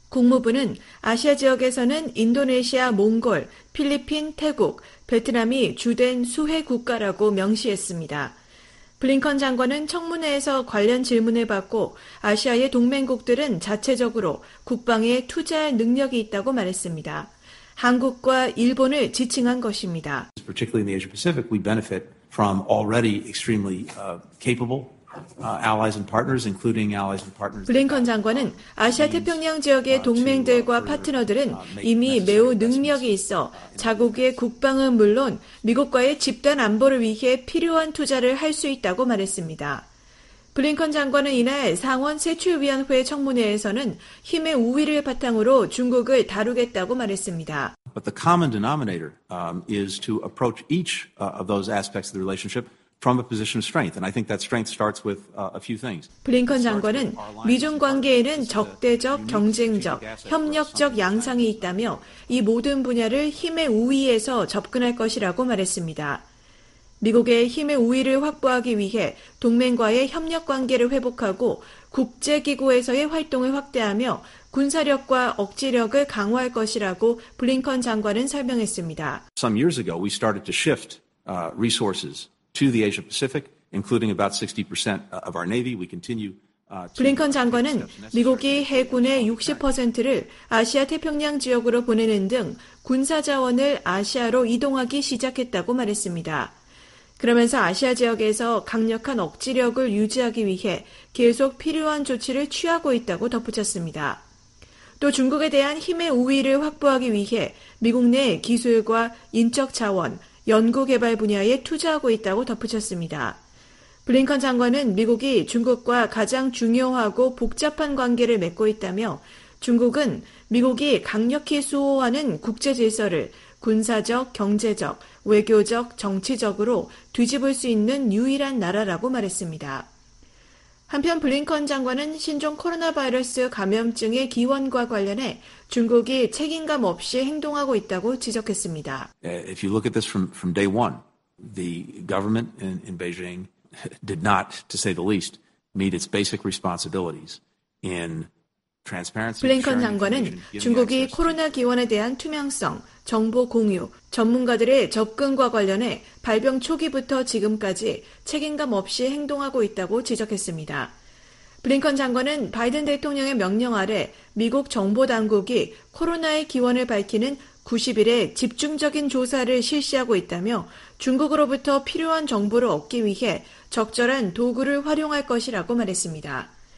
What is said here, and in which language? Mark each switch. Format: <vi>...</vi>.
<ko>국무부는 아시아 지역에서는 인도네시아, 몽골, 필리핀, 태국, 베트남이 주된 수혜 국가라고 명시했습니다. 블링컨 장관은 청문회에서 관련 질문을 받고 아시아의 동맹국들은 자체적으로 국방에 투자할 능력이 있다고 말했습니다. 한국과 일본을 지칭한 것입니다.</ko> <en>Particularly in the Asia Pacific, we benefit from already extremely capable allies and partners, including allies and partners.</en> <ko>블링컨 장관은 아시아 태평양 지역의 동맹들과 파트너들은 이미 매우 능력이 있어 자국의 국방은 물론 미국과의 집단 안보를 위해 필요한 투자를 할 수 있다고 말했습니다. 블링컨 장관은 이날 상원 세출위원회 청문회에서는 힘의 우위를 바탕으로 중국을 다루겠다고 말했습니다.</ko> <en>But the common denominator is to approach each of those aspects of the relationship from a position of strength, and I think that strength starts with a few things.</en> <ko>블링컨 장관은 미중 관계에는 적대적, 경쟁적, 협력적 양상이 있다며 이 모든 분야를 힘의 우위에서 접근할 것이라고 말했습니다. 미국의 힘의 우위를 확보하기 위해 동맹과의 협력 관계를 회복하고 국제기구에서의 활동을 확대하며 군사력과 억지력을 강화할 것이라고 블링컨 장관은 설명했습니다.</ko> <en>Some years ago, we started to shift resources to the Asia Pacific, including about 60% of our Navy. We continue.</en> <ko>블링컨 장관은 미국이 해군의 60%를 아시아 태평양 지역으로 보내는 등 군사 자원을 아시아로 이동하기 시작했다고 말했습니다. 그러면서 아시아 지역에서 강력한 억지력을 유지하기 위해 계속 필요한 조치를 취하고 있다고 덧붙였습니다. 또 중국에 대한 힘의 우위를 확보하기 위해 미국 내 기술과 인적 자원, 연구개발 분야에 투자하고 있다고 덧붙였습니다. 블링컨 장관은 미국이 중국과 가장 중요하고 복잡한 관계를 맺고 있다며 중국은 미국이 강력히 수호하는 국제질서를 군사적, 경제적, 외교적, 정치적으로 뒤집을 수 있는 유일한 나라라고 말했습니다. 한편 블링컨 장관은 신종 코로나 바이러스 감염증의 기원과 관련해 중국이 책임감 없이 행동하고 있다고 지적했습니다.</ko> <en>If you look at this from day one, the government in Beijing did not, to say the least, meet its basic responsibilities in transparency.</en> <ko>블링컨 장관은 중국이 코로나 기원에 대한 투명성, 정보 공유, 전문가들의 접근과 관련해 발병 초기부터 지금까지 책임감 없이 행동하고 있다고 지적했습니다. 블링컨 장관은 바이든 대통령의 명령 아래 미국 정보당국이 코로나의 기원을 밝히는 90일에 집중적인 조사를 실시하고 있다며 중국으로부터 필요한 정보를 얻기 위해 적절한 도구를 활용할 것이라고 말했습니다.</ko>